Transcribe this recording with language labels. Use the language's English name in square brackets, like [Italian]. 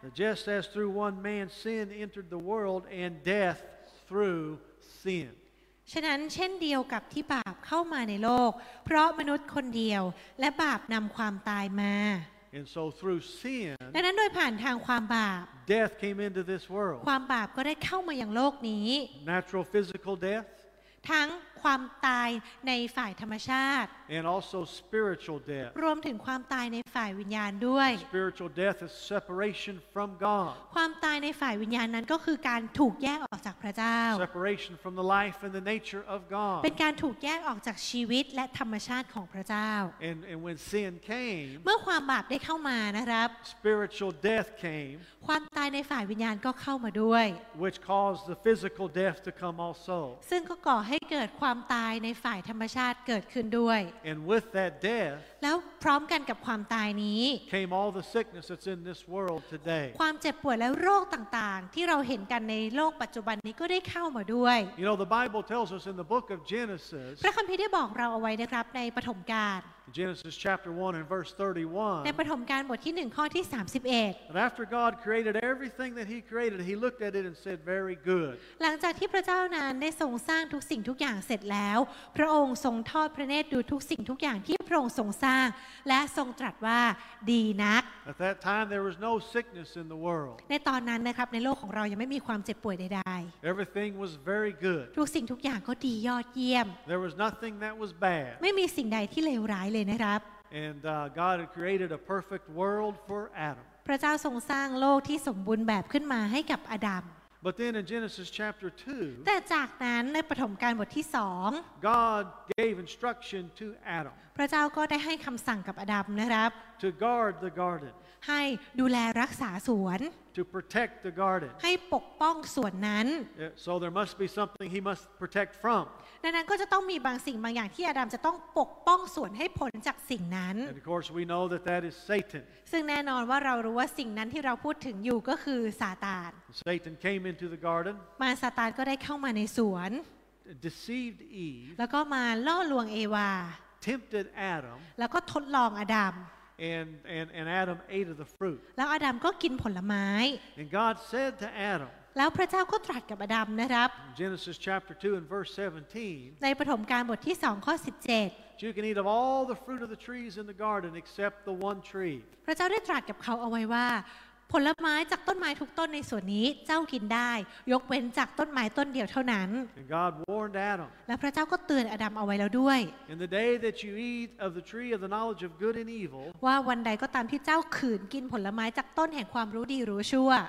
[English] Just as through one man sin entered the world and death through sin. [Thai] ฉะนั้นเช่นเดียวกับที่บาปเข้ามาในโลกเพราะมนุษย์คนเดียวและบาปนำความตายมา [English] And so through sin. [Thai] ดังนั้นโดยผ่านทางความบาป [English] Death came into this world. [Thai] ความบาปก็ได้เข้ามายังโลกนี้ [English] Natural physical death. [Thai] ทั้งความตายในฝ่ายธรรมชาติ [English] And also spiritual death. [Thai] รวมถึงความตายในฝ่ายวิญญาณด้วย [English] Spiritual death is separation from God. [Thai] ความตายในฝ่ายวิญญาณนั้นก็คือการถูกแยกออกจากพระเจ้า [English] Separation from the life and the nature of God. [Thai] เป็นการถูกแยกออกจากชีวิตและธรรมชาติของพระเจ้า [English] And when sin came, [Thai] เมื่อความบาปได้เข้ามานะครับ [English] Spiritual death came. [Thai] ความตายในฝ่ายวิญญาณก็เข้ามาด้วย [English] Which caused the physical death to come also. [Thai] ซึ่งก็ก่อให้เกิดความตายในฝ่ายธรรมชาติเกิดขึ้นด้วย [English] And with that death, [Thai] แล้วพร้อมกันกับความตายนี้ [English] came all the sickness that's in this world today. [Thai] ความเจ็บป่วยและโรคต่างๆที่เราเห็นกันในโลกปัจจุบันนี้ก็ได้เข้ามาด้วย [English] You know, the Bible tells us in the book of Genesis, [Thai] พระคัมภีร์ได้บอกเราเอาไว้นะครับในปฐมกาล [English] Genesis chapter 1 and verse 31. [Thai] ในปฐมกาลบทที่1ข้อที่31. [English] And after God created everything that He created, He looked at it and said, "Very good." [Thai] หลังจากที่พระเจ้านั้นได้ทรงสร้างทุกสิ่งทุกอย่างเสร็จแล้วพระองค์ทรงทอดพระเนตรดูทุกสิ่งทุกอย่างที่พระองค์ทรงสร้างและทรงตรัสว่าดีนัก [English] At that time, there was no sickness in the world. [Thai] ในตอนนั้นนะครับในโลกของเรายังไม่มีความเจ็บป่วยใด [English] ๆ Everything was very good. [Thai] ทุกสิ่งทุกอย่างก็ดียอดเยี่ยม [English] There was nothing that was bad. [Thai] ไม่มีสิ่งใดที่เลวร้าย [English] And God had created a perfect world for Adam. [Thai] พระเจ้าทรงสร้างโลกที่สมบูรณ์แบบขึ้นมาให้กับอดัม [English] But then in Genesis chapter 2, [Thai] แต่จากนั้นในปฐมกาลบทที่2, [English] God gave instruction to Adam. [Thai] พระเจ้าก็ได้ให้คำสั่งกับอดัมนะครับ [English] To guard the garden. [Thai] ให้ดูแลรักษาสวน [English] To protect the garden. [Thai] ให้ปกป้องสวนนั้น [English] So there must be something he must protect from. [Thai] ดังนั้นก็จะต้องมีบางสิ่งบางอย่างที่อดัมจะต้องปกป้องสวนให้พ้นจากสิ่งนั้น [English] And of course we know that that is Satan. [Thai] ซึ่งแน่นอนว่าเรารู้ว่าสิ่งนั้นที่เราพูดถึงอยู่ก็คือซาตาน [English] Satan came into the garden. [Thai] มารซาตานก็ได้เข้ามาในสวน [English] Deceived Eve. [Thai] แล้วก็มาล่อลวงเอวา [English] Tempted Adam. [Thai] แล้วก็ทดลองอดัม [English] And Adam ate of the fruit. [Thai] แล้วอดัมก็กินผลไม้ [English] And God said to Adam. [Thai] แล้วพระเจ้าก็ตรัสกับอดัมนะครับ [English] Genesis chapter 2 and verse 17 [Thai] ในปฐมกาลบทที่2ข้อ17 [English] You can eat of all the fruit of the trees in the garden except the one tree [Thai] พระเจ้าได้ตรัสกับเขาเอาไว้ว่าผลไม้จากต้นไม้ทุกต้นในสวนนี้เจ้ากินได้ยกเว้นจากต้นไม้ต้นเดียวเท่านั้น [English] And God warned Adam [Thai] และพระเจ้าก็เตือนอดัมเอาไว้แล้วด้วย [English] In the day that you eat of the tree of the knowledge of good and evil [Thai] ว่าวันใดก็ตามที่เจ้าขืนกินผลไม้จากต้นแห่งความรู้ดีรู้ชั่ว